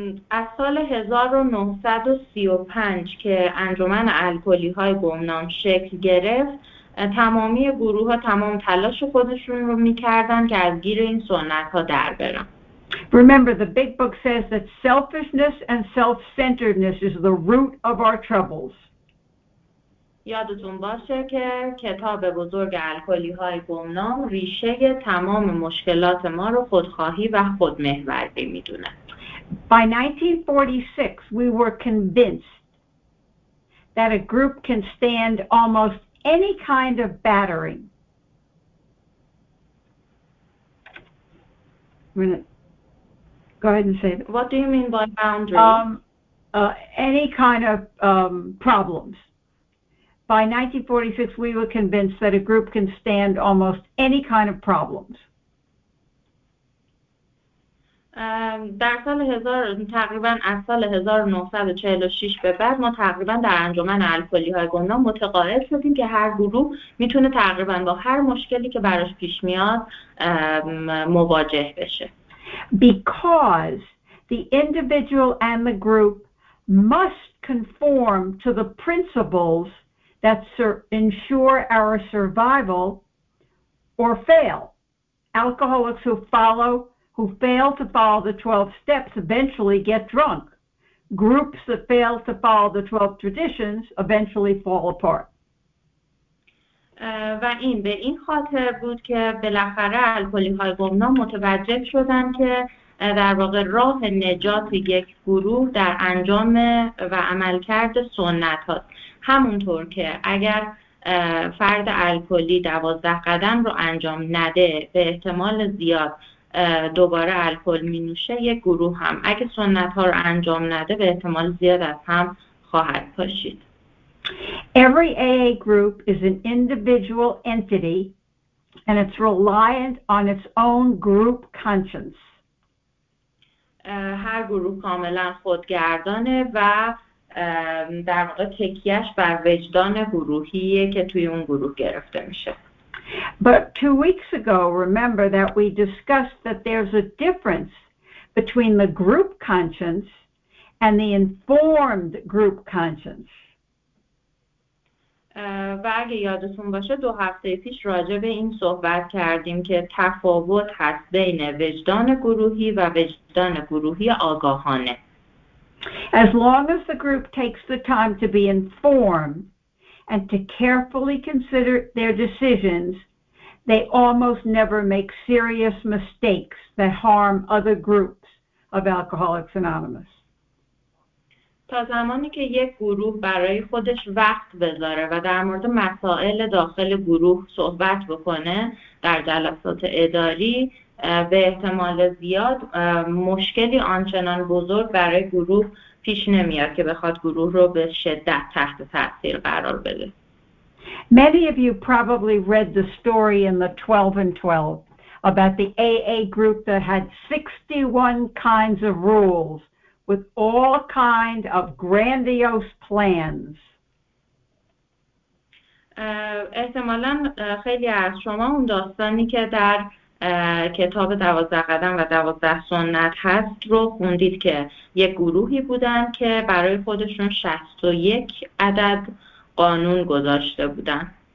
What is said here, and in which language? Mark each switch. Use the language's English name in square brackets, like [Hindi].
[Persian] از سال 1935 که انجمن الکلی‌های گمنام شکل گرفت، تمامی گروه‌ها تمام تلاش خودشون رو می‌کردن که از گیر این سنت‌ها در برن. [English] Remember, the big book says that selfishness and self-centeredness is the root of our troubles. [Persian] یادتون باشه که کتاب بزرگ الکلی‌های گمنام ریشه تمام مشکلات ما رو خودخواهی و خودمحوری میدونه. [English] By 1946, we were convinced that a group can stand almost any kind of battering. Go ahead and say it. What do you mean by boundaries? Any kind of problems. By 1946, we were convinced that a group can stand almost any kind of problems. [Persian] در سال تقریباً از سال 1946 به بعد ما تقریباً در انجمن الکلی‌های گمنام متقاعد شدیم که هر گروه میتونه تقریباً با هر مشکلی که براش پیش میاد مواجه بشه. [English] Because the individual and the group must conform to the principles that ensure our survival or fail. Alcoholics who fail to follow the 12 steps eventually get drunk. Groups that fail to follow the 12 traditions eventually fall apart. [Persian] و این به این خاطر بود که بالاخره الکلی‌های گمنام متوجه شدن که در واقع راه نجات یک گروه در انجام و عملکرد سنت هاست. همونطور که اگر فرد الکلی 12 قدم رو انجام نده به احتمال زیاد دوباره الکل می نوشه، یک گروه هم اگر سنت ها رو انجام نده به احتمال زیاد از هم خواهد پاشید. [English] Every AA group is an individual entity and it's reliant on its own group conscience. [Persian] هر گروه کاملا خودگردانه و در واقع تکیهش بر وجدان گروهیه که توی اون گروه گرفته میشه. [English] But 2 weeks ago, remember that we discussed that there's a difference between the group conscience and the informed group conscience. [Persian] و اگه یادتون باشه دو هفته پیش راجع به این صحبت کردیم که تفاوت هست بین وجدان گروهی و وجدان گروهی آگاهانه. [English] As long as the group takes the time to be informed and to carefully consider their decisions, they almost never make serious mistakes that harm other groups of Alcoholics Anonymous. [Persian] تا زمانی که یک گروه برای خودش وقت بذاره و در مورد مسائل داخل گروه صحبت بکنه در جلسات اداری به احتمال زیاد مشکلی آنچنان بزرگ برای گروه پیش نمیاد که بخواد گروه رو به شدت تحت تاثیر قرار بده. [English] Many of you probably read the story in the 12 and 12 about the AA group that had 61 kinds of rules with all kind of grandiose plans. [Persian] احتمالاً خیلی از شما اون داستانی که در کتاب 12 قدم و 12 سنت هست رو خوندید که یک گروهی بودن که برای خودشون 61 عدد قانون گذاشته بودن.